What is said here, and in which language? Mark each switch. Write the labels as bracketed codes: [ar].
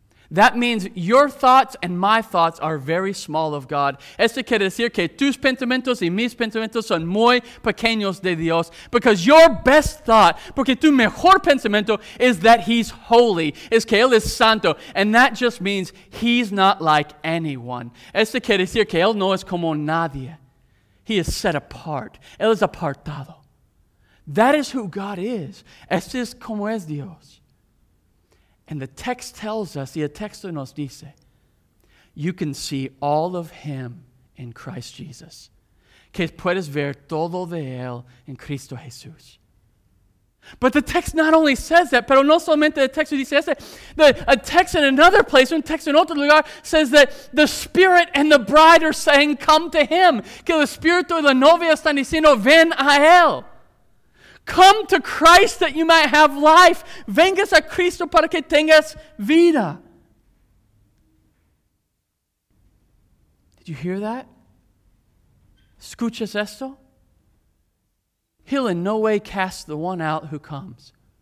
[en] That means your thoughts and my thoughts are very small of God. [es] Esto quiere decir que tus pensamientos y mis pensamientos son muy pequeños de Dios. [en] Because your best thought, [es] porque tu mejor pensamiento [en] is that he's holy, [es] es que él es santo. [en] And that just means he's not like anyone. [es] Esto quiere decir que él no es como nadie. [en] He is set apart. [es] Él es apartado. [en] That is who God is. [es] Esto es como es Dios. [en] And the text tells us, [es] y el texto nos dice, [en] you can see all of him in Christ Jesus. [es] Que puedes ver todo de él en Cristo Jesús. [en] But the text not only says that, [es] pero no solamente el texto dice ese, [en] a text in another place, [es] un texto en otro lugar, [en] says that the Spirit and the bride are saying, come to him. [es] Que el Espíritu y la novia están diciendo, ven a él. [en] Come to Christ that you might have life. [es] Vengas a Cristo para que tengas vida. [en] Did you hear that? [es] ¿Escuchas esto? [en] He'll in no way cast the one out who comes.